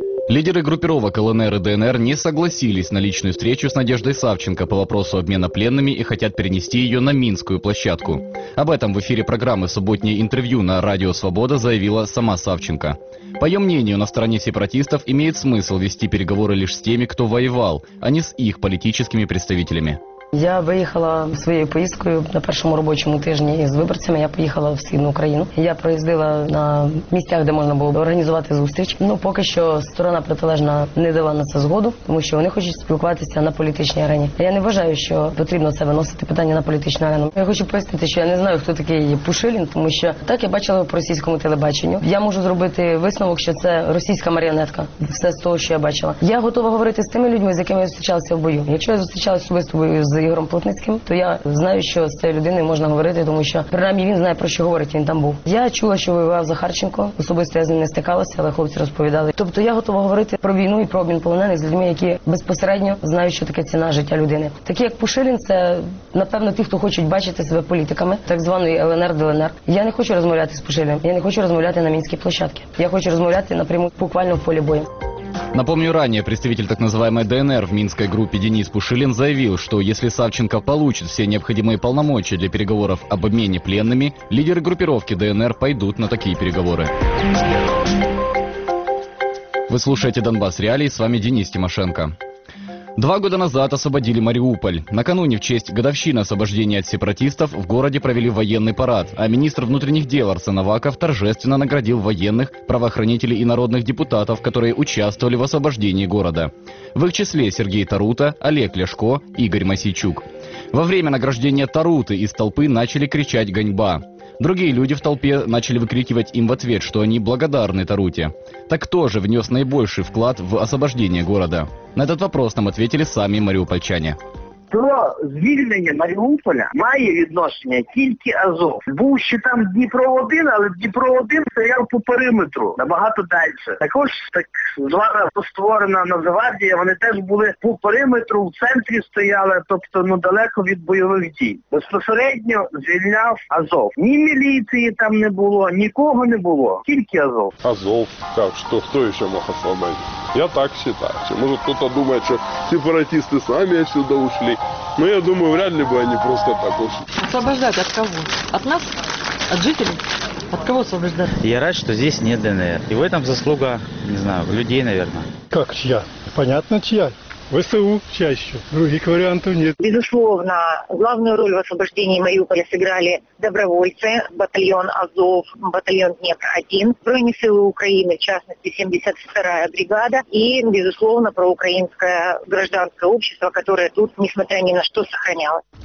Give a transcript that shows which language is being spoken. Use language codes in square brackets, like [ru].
[ru] Лидеры группировок ЛНР и ДНР не согласились на личную встречу с Надеждой Савченко по вопросу обмена пленными и хотят перенести ее на Минскую площадку. Об этом в эфире программы «Субботнее интервью» на Радио Свобода заявила сама Савченко. По ее мнению, на стороне сепаратистов имеет смысл вести переговоры лишь с теми, кто воевал, а не с их политическими представителями. [uk] Я виїхала своєю поїздкою на першому робочому тижні з виборцями. Я поїхала в Східну Україну. Я проїздила на місцях, де можна було організувати зустріч. Ну, поки що сторона протилежна не дала на це згоду, тому що вони хочуть спілкуватися на політичній арені. Я не вважаю, що потрібно це виносити питання на політичну арену. Я хочу пояснити, що я не знаю, хто такий Пушилін, тому що так я бачила по російському телебаченню. Я можу зробити висновок, що це російська маріонетка. Все з того, що я бачила. Я готова говорити з тими людьми, з якими я зустрічалася в бою. Якщо я зустрічалася особисто в бою з Ігорем Плотницьким, то я знаю, що з цією людиною можна говорити, тому що принаймні він знає, про що говорить, він там був. Я чула, що воював Захарченко, особисто я з ним не стикалася, але хлопці розповідали. Тобто я готова говорити про війну і про обмін полонених з людьми, які безпосередньо знають, що таке ціна життя людини. Такі як Пушилін, це, напевно, ті, хто хочуть бачити себе політиками, так званої ЛНР-ДЛНР. Я не хочу розмовляти з Пушилем, я не хочу розмовляти на мінській площадці. Я хочу розмовляти напряму, буквально в полі бою. [ru] Напомню, ранее представитель так называемой ДНР в Минской группе Денис Пушилин заявил, что если Савченко получит все необходимые полномочия для переговоров об обмене пленными, лидеры группировки ДНР пойдут на такие переговоры. Вы слушаете «Донбасс Реалии», с вами Денис Тимошенко. 2 года назад освободили Мариуполь. Накануне в честь годовщины освобождения от сепаратистов в городе провели военный парад, а министр внутренних дел Арсен Аваков торжественно наградил военных, правоохранителей и народных депутатов, которые участвовали в освобождении города. В их числе Сергей Тарута, Олег Ляшко, Игорь Масийчук. Во время награждения Таруты из толпы начали кричать «Ганьба». Другие люди в толпе начали выкрикивать им в ответ, что они благодарны Таруте. Так кто же внес наибольший вклад в освобождение города? На этот вопрос нам ответили сами мариупольчане. [uk] До звільнення Маріуполя має відношення тільки Азов. Був ще там Дніпро-1, але Дніпро-1 стояв по периметру, набагато далі. Також так зараз створена Нацгвардія, вони теж були по периметру, в центрі стояли, тобто ну, далеко від бойових дій. Безпосередньо звільняв Азов. Ні міліції там не було, нікого не було, тільки Азов. Азов, так, що хто ще [ru] мог освободити? [uk] Я так вважаю. Може хтось думає, що сепаратисти самі сюди [ru] ушли. Ну, я думаю, вряд ли бы они просто так ушли. Освобождать от кого? От нас? От жителей? От кого освобождать? Я рад, что здесь нет ДНР. И в этом заслуга, не знаю, людей, наверное. Как чья? Понятно, чья. ВСУ чаще. Других вариантов нет. Безусловно, главную роль в освобождении Мариуполя сыграли добровольцы, батальон Азов, батальон Днепр-1, бронесилы Украины, в частности, 72-я бригада и, безусловно, проукраинское гражданское общество, которое тут, несмотря ни на что, сохранялось.